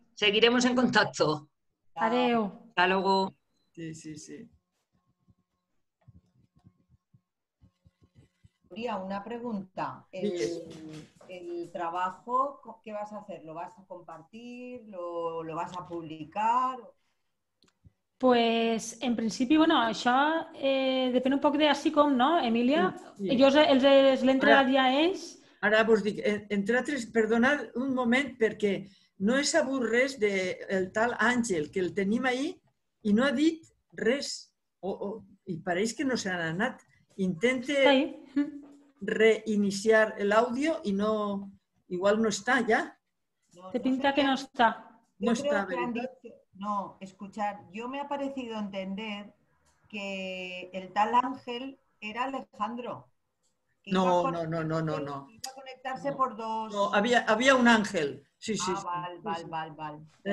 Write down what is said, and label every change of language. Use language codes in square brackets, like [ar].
[es] Seguiremos en contacto. [ca] Adeu. [es] Hasta luego. Sí, sí, sí. Nuria, una pregunta. El trabajo, ¿qué vas a hacer? ¿Lo vas a compartir? ¿Lo vas a publicar? [ca] Pues en principi, bueno, això depèn un poc de així com, no, Emilia? Sí. Jo els l'he entregat ja a ells. Ara vos dic, entre altres, perdonad un moment perquè no he sabut res del tal Àngel, que el tenim ahí i no ha dit res. I pareix que no se n'ha anat. Intente reiniciar l'àudio i no, igual no està ja. Te pinta que no està. No està, veritat. [es] No, escuchar, yo me ha parecido entender que el tal Ángel era Alejandro. No. Iba a conectarse no, por dos. No, había un Ángel. Sí, sí. Ah, vale.